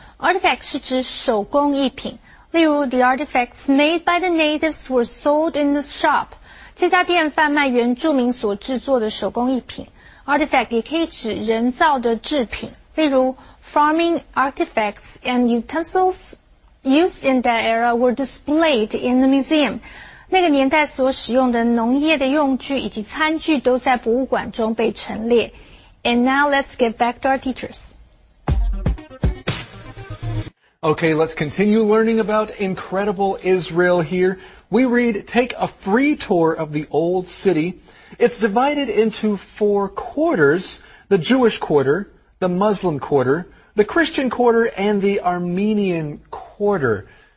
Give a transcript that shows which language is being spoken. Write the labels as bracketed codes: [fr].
[en] Artifact [zh] 是指手工艺品。例如 [en] the artifacts made by the natives were sold in the shop. [zh] 这家店贩卖原住民所制作的手工艺品。Artifact 也可以指人造的制品。例如, [en] farming artifacts and utensils used in that era were displayed in the museum. [zh] 那个年代所使用的农业的用具以及餐具都在博物馆中被陈列。 [en] And now let's get back to our teachers. Okay, let's continue learning about incredible Israel here. We read, take a free tour of the old city. It's divided into four quarters, the Jewish quarter, the Muslim quarter, the Christian quarter, and the Armenian quarter.